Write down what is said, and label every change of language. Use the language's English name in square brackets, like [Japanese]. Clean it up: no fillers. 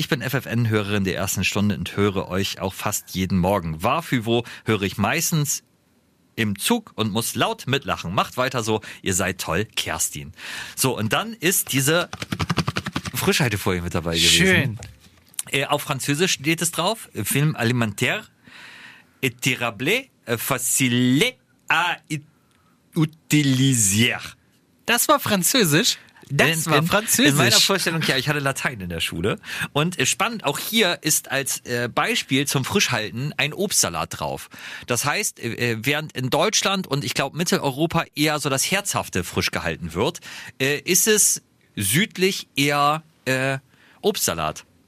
[German] Ich bin FFN-Hörerin der ersten Stunde und höre euch auch fast jeden Morgen. War für wo höre ich meistens im Zug und muss laut mitlachen. Macht weiter so, ihr seid toll, Kerstin. So, und dann ist diese Frischhaltefolie mit dabei gewesen. Schön. Auf Französisch steht es drauf. [French] Film alimentaire étirable facile à utiliser. [German] Das war Französisch? Das war Französisch. In meiner Vorstellung, ja, ich hatte Latein in der Schule. Und spannend, auch hier ist als Beispiel zum Frischhalten ein Obstsalat drauf. Das heißt, während in Deutschland und ich glaube Mitteleuropa eher so das Herzhafte frisch gehalten wird, ist es südlich eher Obstsalat.